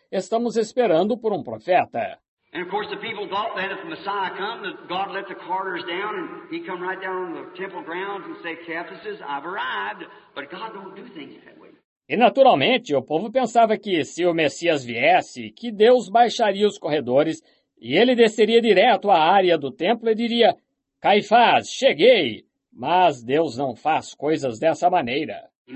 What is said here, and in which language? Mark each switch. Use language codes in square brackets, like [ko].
[pt] Estamos esperando por um profeta. [en] And of course, the people thought that if the Messiah come, that God let the carters down, and he come right down on the temple grounds and say, Cephas, I've arrived. But God don't do things that way. [pt] E naturalmente, o povo pensava que se o Messias viesse, que Deus baixaria os corredores e ele desceria direto à área do templo e diria, Caifás, cheguei! Mas Deus não faz coisas dessa maneira.